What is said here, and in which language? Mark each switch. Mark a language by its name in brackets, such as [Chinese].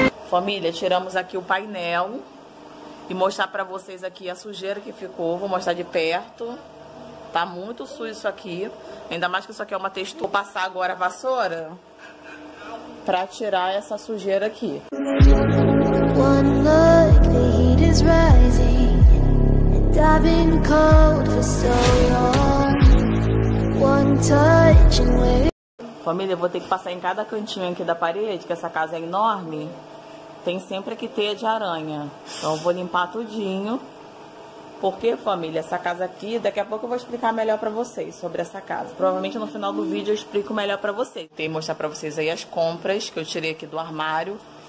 [Portuguese] Família, tiramos aqui o painel e mostrar pra vocês aqui a sujeira que ficou. Vou mostrar de perto. Tá muito sujo isso aqui. Ainda mais que isso aqui é uma textura. Vou passar agora a vassoura pra tirar essa sujeira aqui. [English] One look, the heat is rising. And I've been cold for so long. One touch and wait. [Portuguese] Família, eu vou ter que passar em cada cantinho aqui da parede, que essa casa é enorme. Tem sempre aqui teia de aranha. Então eu vou limpar tudinho. Porque, família, essa casa aqui, daqui a pouco eu vou explicar melhor pra vocês sobre essa casa. Provavelmente no final do vídeo eu explico melhor pra vocês. Tem que mostrar pra vocês aí as compras que eu tirei aqui do armário.